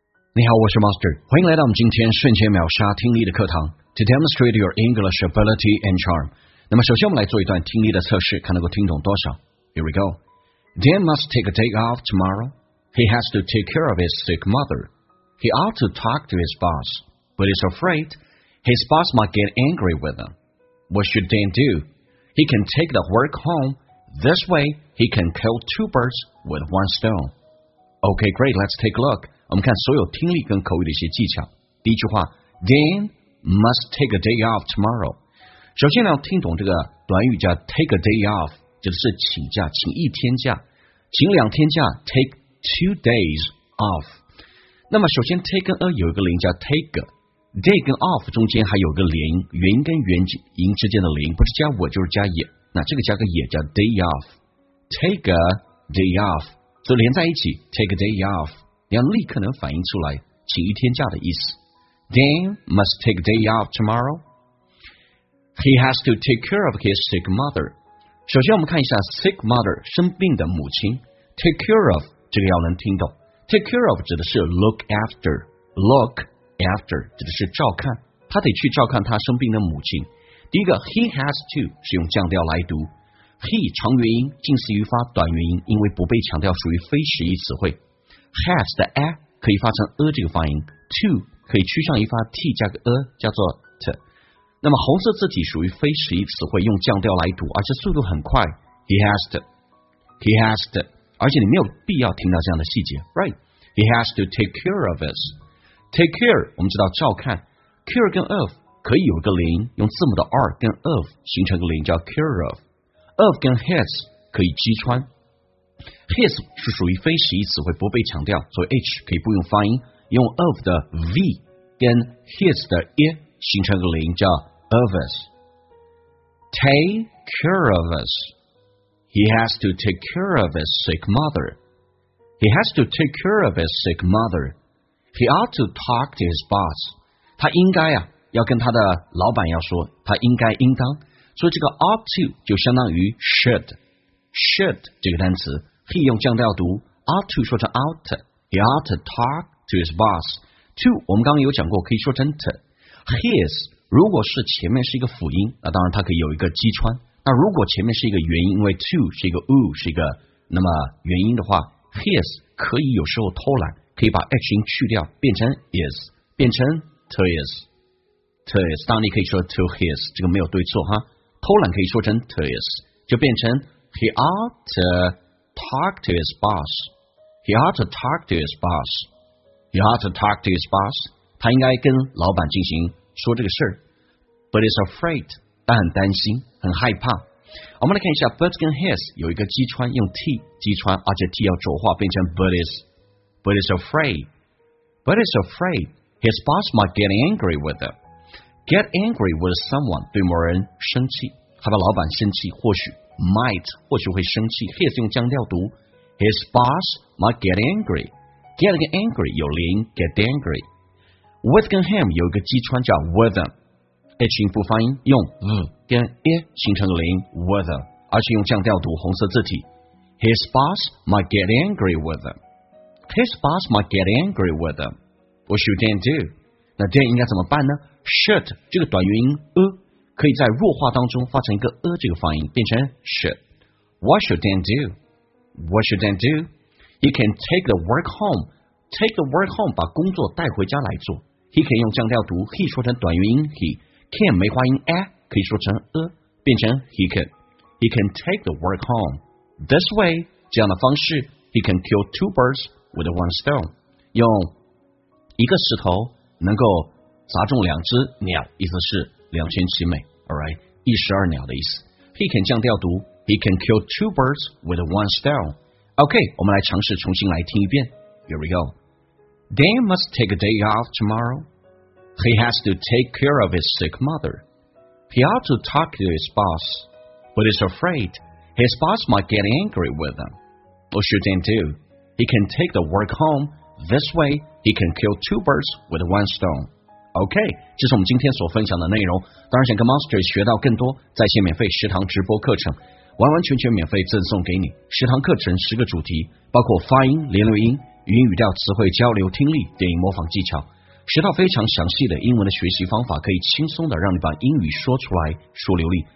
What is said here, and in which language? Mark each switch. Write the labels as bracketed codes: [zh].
[zh] 你好，我是 Master， 欢迎来到我们今天瞬间秒杀听力的课堂 ， [en] To demonstrate your English ability and charm。 [zh] 那么首先我们来做一段听力的测试，看能够听懂多少。 [en] Here we go. Dan must take a day off tomorrow. He has to take care of his sick mother. He ought to talk to his boss, but is afraid his boss might get angry with him. What should Dan do? He can take the work home. This way, he can kill two birds with one stone. Okay, great. Let's take a look. [zh] 我们看所有听力跟口语的一些技巧。第一句话 [en] ，Dan must take a day off tomorrow。 [zh] 首先呢，要听懂这个短语叫 [en] take a day off， [zh] 就是请假，请一天假，请两天假 ， [en] take two days off。 [zh] 那么首先 take 跟 a 有一个连叫 take，day 跟 off 中间还有个连，元音跟元音之间的连，不是加我就是加也。那这个加个也叫 day off， [en] take a day off， [zh] 所以连在一起 take a day off。你要立刻能反映出来请一天假的意思。 [en] Dan must take day off tomorrow. He has to take care of his sick mother. [zh] 首先我们看一下 sick mother 生病的母亲。 [en] Take care of [zh] 这个要能听懂。 Take care of 指的是 look after， look after 指的是照看，他得去照看他生病的母亲。第一个 he has to 是用降调来读， he 长元音近似于发短元音，因为不被强调属于非实义词汇。 Has 的 a 可以发成 a 这个发音， to 可以趋向于发 t 加个 a 叫做 t。那么红色字体属于非实义词汇，用降调来读，而且速度很快。 [en] He has to， [zh] He has to， 而且你没有必要听到这样的细节， right？ [en] He has to take care of us。 [zh] Take care 我们知道照看， care 跟 of 可以有个连，用字母的 r 跟 of 形成个连叫 care of。 of 跟 has 可以击穿，His 是属于非实义词汇，不被强调，所以 H 可以不用发音，用 of 的 V 跟 his 的 E 形成个连叫 of us。 [en] Take care of us， He has to take care of his sick mother， He has to take care of his sick mother， He ought to talk to his boss， [zh] 他应该啊要跟他的老板要说，他应该应当，所以这个 [en] ought to [zh] 就相当于 [en] shouldShould 这个单词 ，he [zh] 用降调读 [en] ，ought to [zh] 说成 [en] ought，he ought to talk to his boss。 [zh] to 我们刚刚有讲过，可以说成 t。his 如果是前面是一个辅音，那当然它可以有一个击穿。那如果前面是一个元音，因为 to 是一个 u 是一个那么元音的话 ，his 可以有时候偷懒，可以把 h 音去掉，变成 is， 变成 to is， to is。当然你可以说 [en] to his， [zh] 这个没有对错哈。偷懒可以说成 to is， 就变成。 [en] He ought to talk to his boss. He ought to talk to his boss. He ought to talk to his boss. [zh] 他应该跟老板进行说这个事儿。 [en] But is afraid. [zh] 但很担心，很害怕。我们来看一下 ，but 跟 his 有一个击穿，用 t 击穿，而且 t 要浊化，变成 but is. [en] But is afraid. But is afraid. His boss might get angry with him. Get angry with someone [zh] 对某人生气，他的老板生气，或许。 [en] Might [zh] 或许会生气 [en] ，his [zh] 用降调读 [en] ，his boss might get angry，get 跟 angry [zh] 有连 [en] ，get angry，with 跟 him [zh] 有一个击穿叫 [en] with him，h [zh] 音不发音，用 [en] v 跟 e [zh] 形成连 [en] with him， [zh] 而且用降调读，红色字体 [en] ，his boss might get angry with him，his boss might get angry with him，what should Dan do？ [zh] 那 Dan 应该怎么办呢 ？Should 这个短元音 a。可以在弱化当中发成一个 a 这个发音，变成 should。 [en] What should Dan do? What should Dan do? He can take the work home. Take the work home， [zh] 把工作带回家来做。 He can 用降调读 ，he 说成短元音 he。 Can 没发音 a， 可以说成 a， 变成 he can。 [en] He can take the work home. This way， [zh] 这样的方式 [en] ，he can kill two birds with one stone。 [zh] 用一个石头能够砸中两只鸟，意思是。两全其美 ，alright， 一石二鸟的意思。 [en] He can [zh] 降调读 [en] ，He can kill two birds with one stone。 [zh] OK， 我们来尝试重新来听一遍。 [en] Here we go。 Dan must take a day off tomorrow. He has to take care of his sick mother. He ought to talk to his boss, but is afraid his boss might get angry with him. What should Dan do? He can take the work home. This way, he can kill two birds with one stone. [zh] OK， 这是我们今天所分享的内容。当然想跟 Monster 学到更多在线免费食堂直播课程，完完全全免费赠送给你。食堂课程十个主题，包括发音、连读音、云语调词汇交流听力电影模仿技巧，学到非常详细的英文的学习方法，可以轻松的让你把英语说出来说流利。